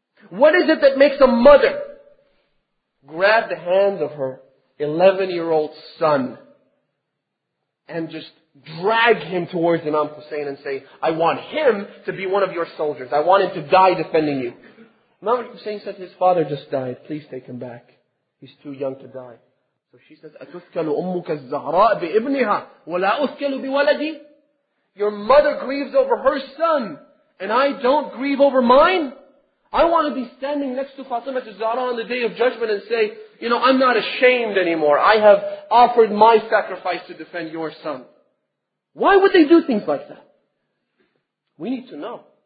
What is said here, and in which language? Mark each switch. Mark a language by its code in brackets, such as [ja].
[en] What is it that makes a mother grab the hand of her 11-year-old son and just drag him towards Imam Hussein and say, I want him to be one of your soldiers. I want him to die defending you. Imam Hussein said, his father just died. Please take him back. He's too young to die. So she says, [ar] أَتُثْكَلُ أُمُّكَ الزَّهْرَاءَ بِإِبْنِهَا وَلَا أُثْكَلُ بِوَلَدِي. [en] Your mother grieves over her son and I don't grieve over mine? I want to be standing next to Fatima al-Zahra on the Day of Judgment and say, you know, I'm not ashamed anymore. I have offered my sacrifice to defend your son. Why would they do things like that? We need to know.